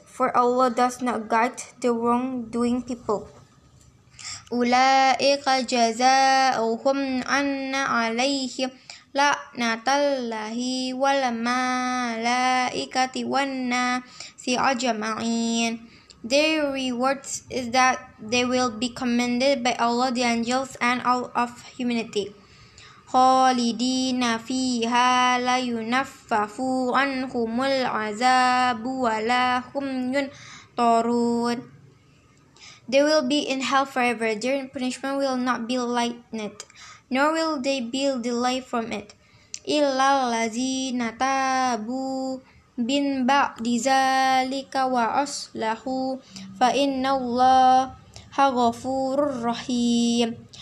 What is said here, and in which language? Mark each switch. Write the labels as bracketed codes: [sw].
[en] For Allah does not guide the wrongdoing people. [ar] أُولَئِكَ جَزَاؤُهُمْ أَنَّ عَلَيْهِمْ لعنة الله والملائكة والناس أجمعين [en] Their reward is that they will be commended by Allah, the angels, and all of humanity. [ar] خالدين فيها لا ينفف عنهم العذاب ولا هم ينظرون [en] They will be in hell forever. Their punishment will not be lightened, nor will they be delayed from it. [ar] إِلَّا الَّذِينَ تَابُوا مِنْ بَعْدِ ذَلِكَ وَأَصْلَحُوا فَإِنَّ اللَّهَ غَفُورٌ رَّحِيمٌ